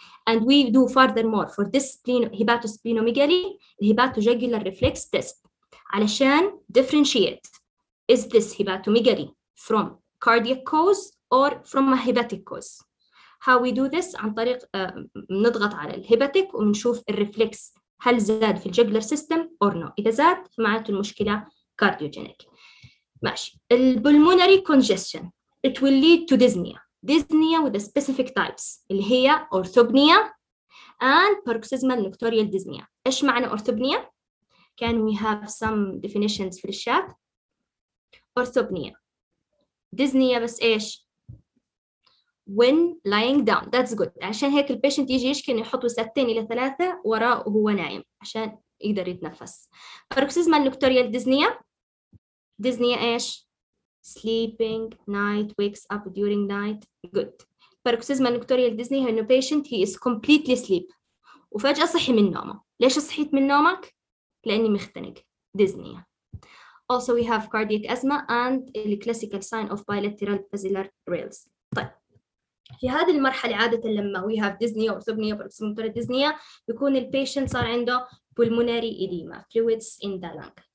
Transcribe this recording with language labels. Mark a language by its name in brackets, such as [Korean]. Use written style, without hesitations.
[English] And we do furthermore for this hepatosplenomegaly الهيباتوجوجلر reflex test [Arabic] علشان [English] differentiate is this hepatomegaly from cardiac cause or from a hepatic cause. How we do this [Arabic] عن طريق نضغط على الهيباتيك ونشوف الريفلكس هل زاد في الجوجلر سيستم [English] or no. [Arabic] إذا زاد معناته المشكلة cardiogenic. ماشي. [English] The pulmonary congestion it will lead to dyspnea with the specific types [Arabic] اللي هي [English] orthopnea and paroxysmal nocturnal dyspnea. [Arabic] إيش معنى [English] orthopnea؟ Can we have some definitions [Arabic] في الشات؟ [English] Orthopnea dyspnea [Arabic] بس إيش؟ [English] When lying down. That's good. [Arabic] عشان هيك البيشنت يجي يشكي إنه يحط وساتين إلى ثلاثة وراء وهو نايم عشان يقدر يتنفس. [English] Paroxysmal nocturnal dyspnea. Dyspnea ايش؟ Sleeping, night, wakes up during night. Good. Paroxysmal nocturnal dyspnea [Arabic] هي انه [English] patient he is completely asleep. [Arabic] وفجأة صحي من نومه. ليش صحيت من نومك؟ لأني مختنق. [English] Dyspnea. Also we have cardiac asthma and the classical sign of bilateral basilar rails. [Arabic] طيب. في هذه المرحلة عادة لما [English] we have dyspnea orthopnea paroxysmal nocturnal dyspnea [Arabic] بيكون ال patient صار عنده pulmonary edema, [English] fluids in the lung.